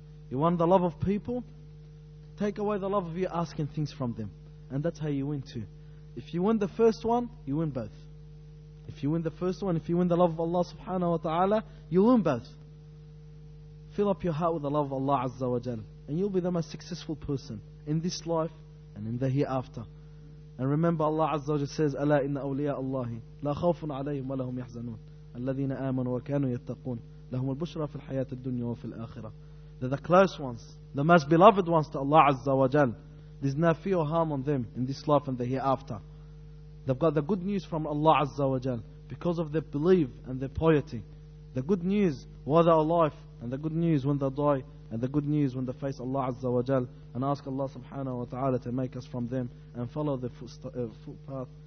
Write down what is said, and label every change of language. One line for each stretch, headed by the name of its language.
English: You want the love of people? Take away the love of you asking things from them. And that's how you win too. If you win the first one, you win both. If you win the first one, if you win the love of Allah subhanahu wa ta'ala, you win both. Fill up your heart with the love of Allah Azza wa Jal, and you'll be the most successful person in this life and in the hereafter. And remember, Allah Azza wa Jal says,
Arabic: أَلَا إِنَّ أَوْلِيَاءَ اللَّهِ لَا خَوْفٌ عَلَيْهِمْ وَلَا هُمْ يَحْزَنُونَ الَّذِينَ آمَنُوا وَكَانُوا يَتَّقُونَ لَهُمُ الْبُشْرَى فِي الْحَيَاةِ الدُّنْيَا وَفِي الْآخِرَةِ.
English: They're the close ones, the most beloved ones to Allah Azza wa Jal. There's no fear or harm on them in this life and the hereafter. They've got the good news from Allah Azza wa Jal because of their belief and their piety. The good news while they're alive, and the good news when they die, and the good news when they face Allah Azza wa Jal, and ask Allah subhanahu wa ta'ala to make us from them and follow the footpath.